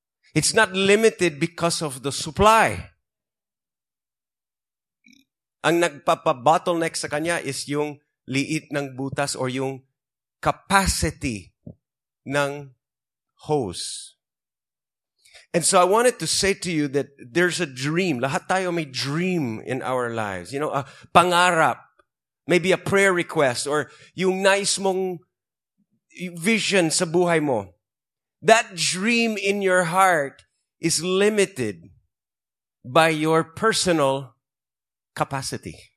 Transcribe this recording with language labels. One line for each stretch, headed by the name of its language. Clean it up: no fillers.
English: It's not limited because of the supply.
Filipino: Ang nagpapa-bottleneck sa kanya is yung liit ng butas or yung capacity ng hose.
English: And so I wanted to say to you that there's a dream.
Filipino: Lahat tayo may dream
English: in our lives. You know, a pangarap. Maybe a prayer request or yung nice mong vision
Filipino: sa buhay mo.
English: That dream in your heart is limited by your personal capacity.